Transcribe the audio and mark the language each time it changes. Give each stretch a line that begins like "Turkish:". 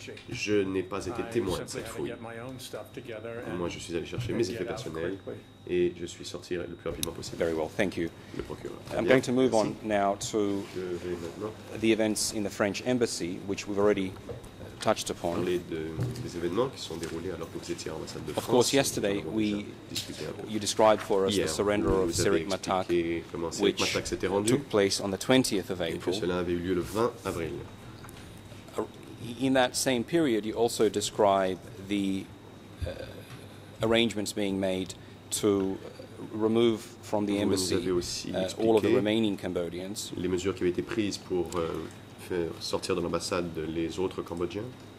French: Je n'ai pas été témoin de cette fouille. Moi, je suis allé chercher mes effets personnels et je suis sorti le plus rapidement possible.
English: Very well, thank you.
French: Le procureur.
English: I'm going to move on now to the events in the French embassy, which we've already touched upon.
French: Des événements qui sont déroulés alors que vous étiez à l'ambassade de France.
English: Of course, yesterday you described for us the surrender of Cyrik Matak, which took place on the 20th of April.
French: Et cela avait eu lieu le 20 avril.
English: In that same period, you also describe the arrangements being made to remove from the embassy all of the remaining Cambodians.
French: Les mesures qui avaient été prises pour faire sortir de l'ambassade les autres Cambodgiens.